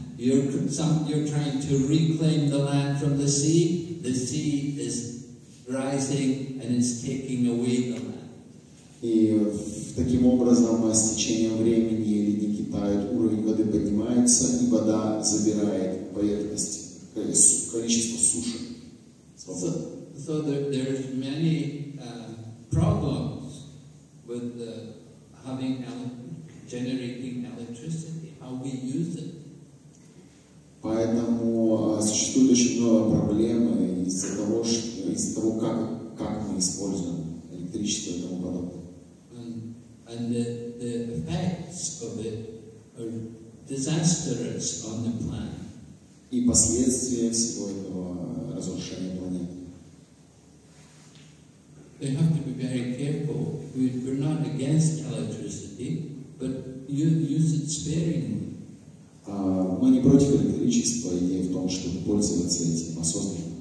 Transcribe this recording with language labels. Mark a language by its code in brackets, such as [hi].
[en] You're trying to reclaim the land from the sea. The sea is rising and is taking away the land. [ru] И таким образом, с течением времени ледники тают, уровень воды поднимается, и вода забирает поверхность, количество суши. [en] So there's many problems with having generating electricity, how we use it. [ru] Поэтому существует очень много проблем из-за того, как мы используем электричество и тому подобное. [en] And the effects of it are disastrous on the planet. [ru] И последствия всего этого разрушения планеты. [en] We have to be very careful. We're not against electricity, but use it sparingly. [ru] Мы не против электричества, идея в том, чтобы пользоваться этим осознанно.